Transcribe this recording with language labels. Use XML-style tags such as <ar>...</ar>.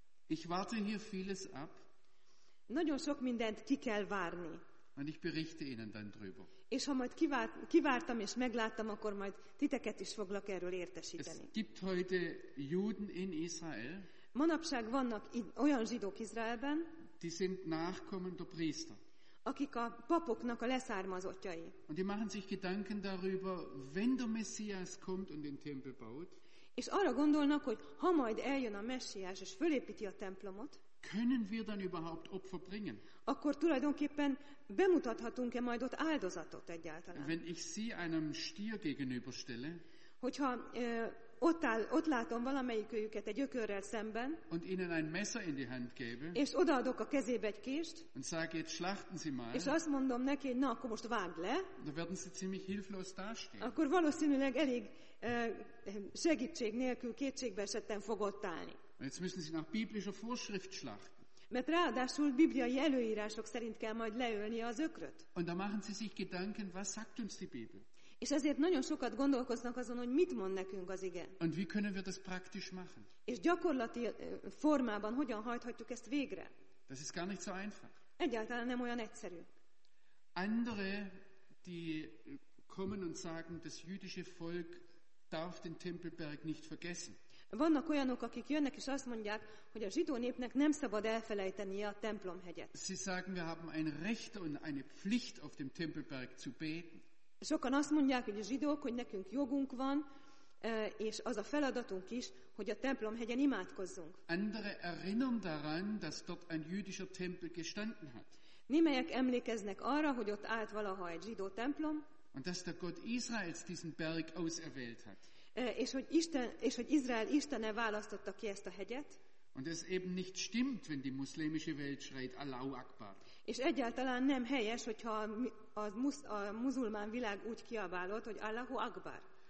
<de>Ich warte hier vieles ab.</de> <hu>Nagyon sok mindent ki kell várni.</hu> <de>Und ich berichte Ihnen dann drüber.</de> <hu>És ha majd kivártam és megláttam, akkor majd titeket is foglak erről értesíteni.</hu> <de>Es gibt heute Juden in Israel.</de> <hu>Manapság vannak olyan zsidók Izraelben.</hu> <de>Die sind Nachkommen der Priester.</de> <hu>Akik a papoknak a leszármazottjai.</hu> <de>Und die machen sich Gedanken darüber, wenn der Messias kommt und den Tempel baut.</de> <hu>És arra gondolnak, hogy ha majd eljön a Messiás és fölépíti a templomot,</hu> <de>können wir dann überhaupt Opfer bringen?</de> <hu>Akkor tulajdonképpen bemutathatunk-e majd ott áldozatot egyáltalán?</hu> <de>Wenn ich sie einem Stier gegenüberstelle,</de> <hu>hogyha ott látom valamelyikőjüket egy ökörrel szemben,</hu> <de>und ihnen ein Messer in die Hand gebe,</de> <hu>és odaadok a kezébe egy kést,</hu> <de>und sage, jetzt schlachten Sie mal,</de> <hu>és azt mondom neki, na, akkor most vágd le,</hu> <de>da werden sie ziemlich hilflos dastehen.</de> <hu>Akkor valószínűleg elég segítség nélkül kétségbe esetten fog ott állni.</hu> <de>Jetzt müssen sie nach biblischer Vorschrift schlachten.</de> <hu>Mert ráadásul bibliai előírások szerint kell majd leölni az ökröt.</hu> <de>Und da machen sie sich Gedanken, was sagt uns die Bibel?</de> <hu>És ezért nagyon sokat gondolkoznak azon, hogy mit mond nekünk az ige.</hu> <de>Und wie können wir das praktisch machen?</de> <hu>És gyakorlati formában hogyan hajthatjuk ezt végre?</hu> <de>Das ist gar nicht so einfach.</de> <hu>Egyáltalán nem olyan egyszerű.</hu> <de>Andere, die kommen und sagen, das jüdische Volk darf den Tempelberg nicht vergessen.</de> <hu>Vannak olyanok, akik jönnek és azt mondják, hogy a zsidó népnek nem szabad elfelejtenie a templomhegyet.</hu> <de>Sie sagen, wir haben ein Recht und eine Pflicht, auf dem Tempelberg zu beten.</de> <hu>Sokan azt mondják, hogy a zsidók, hogy nekünk jogunk van, és az a feladatunk is, hogy a templomhegyen imádkozzunk.</hu> <de>Andere erinnern daran, dass dort ein jüdischer Tempel gestanden hat.</de> <hu>Némelyek emlékeznek arra, hogy ott állt valaha egy zsidó templom.</hu> <de>Und dass der Gott Israels diesen Berg auserwählt hat.</de> <hu>És hogy Izrael Istene választotta ki ezt a hegyet.</hu> <de>Und es eben nicht stimmt, wenn die muszlimische Welt schreit</de> <ar>Allahu Akbar.</ar> <hu>És egyáltalán nem helyes, hogyha a muzulmán világ úgy kiabálott, hogy</hu> <ar>Allahu Akbar.</ar>